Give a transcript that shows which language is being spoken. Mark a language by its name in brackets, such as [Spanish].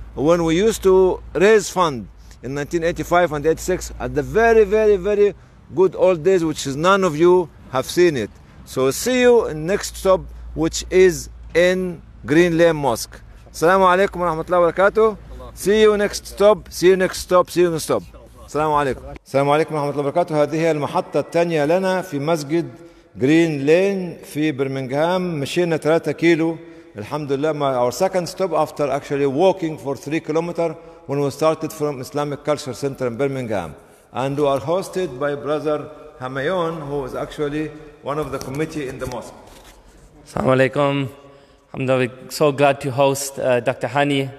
[English] When we used to raise fund in 1985 and 86, at the very, very, very good old days, which is none of you have seen it. So see you in next stop, which is in Green Lane Mosque. Assalamu alaikum wa rahmatullahi wa barakatuh. See you next stop, see you next stop, see you next stop. [Arabic] السلام عليكم. السلام عليكم ورحمة الله وبركاته. هذه هي المحطة الثانية لنا في مسجد جرين لين في برمنغهام. مشينا 3 كيلو الحمد لله. [English] Our second stop after actually walking for 3 kilometers when we started from Islamic Culture Center in Birmingham. And we are hosted by Brother Hamayon, who is actually one of the committee in the mosque. السلام عليكم. I'm so glad to host Dr. Hani.